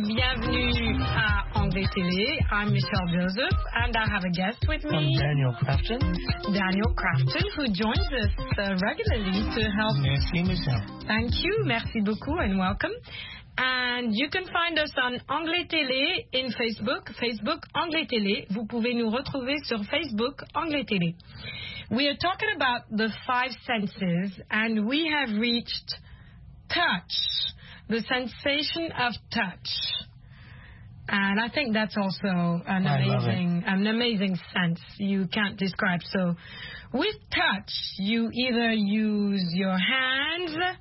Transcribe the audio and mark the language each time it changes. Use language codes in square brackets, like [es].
[fr] Bienvenue à Anglais Télé. [en] I'm Michelle Joseph, and I have a guest with me. I'm Daniel Grafton. Daniel Grafton, who joins us regularly to help. [fr] Merci, Michelle. [en] Thank you. [fr] Merci beaucoup, [en] and welcome. And you can find us on Anglais Télé in Facebook. [fr] Facebook Anglais Télé. Vous pouvez nous retrouver sur Facebook Anglais Télé. [en] We are talking about the five senses, and we have reached touch, the sensation of touch. And I think that's also an amazing sense you can't describe. So with touch, you either use your hands